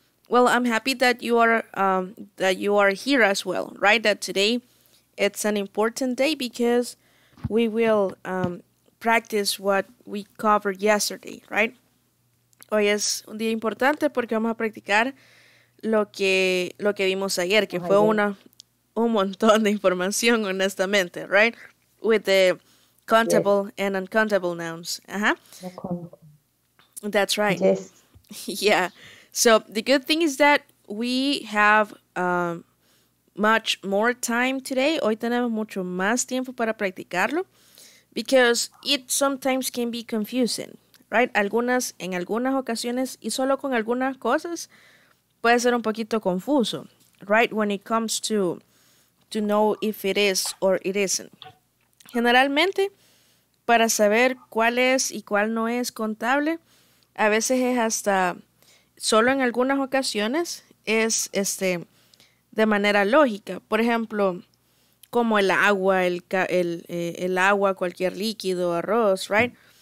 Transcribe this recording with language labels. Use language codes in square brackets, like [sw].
[en] Well, I'm happy that you are here as well, right? That today it's an important day because we will practice what we covered yesterday, right? [es] Hoy es un día importante porque vamos a practicar lo que vimos ayer, que fue un montón de información, honestamente, right? [en] With the countable yes. and uncountable nouns. Uh-huh. That's right. Yes. Yeah. So the good thing is that we have much more time today. [es] Hoy tenemos mucho más tiempo para practicarlo. [en] Because it sometimes can be confusing, right? [es] En algunas ocasiones, y solo con algunas cosas, puede ser un poquito confuso, right? [en] When it comes to know if it is or it isn't. [es] Generalmente, para saber cuál es y cuál no es contable, a veces es hasta, solo en algunas ocasiones, es de manera lógica. Por ejemplo, como el agua, el agua, cualquier líquido, arroz, right?